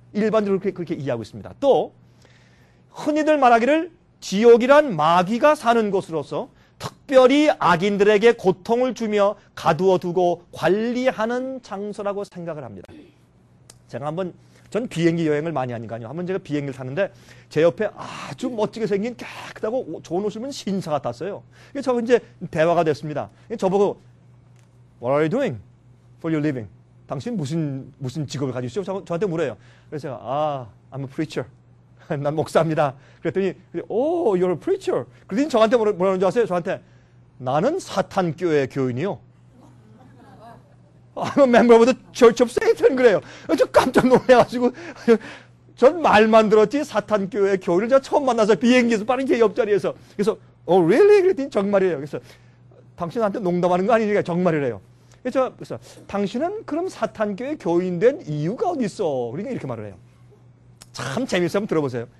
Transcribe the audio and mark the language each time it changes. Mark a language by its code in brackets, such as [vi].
[ko] 일반적으로 그렇게 이해하고 있습니다. 또 흔히들 말하기를 지옥이란 마귀가 사는 곳으로서 특별히 악인들에게 고통을 주며 가두어두고 관리하는 장소라고 생각을 합니다. 제가 한번, 전 비행기 여행을 많이 하니까요. 한번 제가 비행기를 탔는데 제 옆에 아주 멋지게 생긴 깨끗하고 좋은 옷을 입은 신사 같았어요. 그래서 저 이제 대화가 됐습니다. 저보고 [en] What are you doing for your living? [ko] 당신 무슨 직업을 가지고 있어요? 저한테 물어요. 그래서 제가 아, [en] I'm a preacher. [ko] 난 목사입니다. 그랬더니 [en] Oh, you're a preacher. [ko] 그랬더니 저한테 뭐라는 줄 아세요? 저한테 나는 사탄 교회 교인이요. [en] I'm a member of the Church of Satan [ko] 그래요. 저 깜짝 놀래가지고 전 말만 들었지 사탄 교회 교인을 제가 처음 만나서 비행기에서 빠른 제 옆자리에서 그래서 [en] Oh, really? [ko] 그랬더니 정말이래요. 그래서 당신한테 농담하는 거 아니니까 정말이래요. 그래서 당신은 그럼 사탄교회 교인 된 이유가 어디 있어? 그러니까 이렇게 말을 해요. 참 재밌어요. 한번 들어보세요.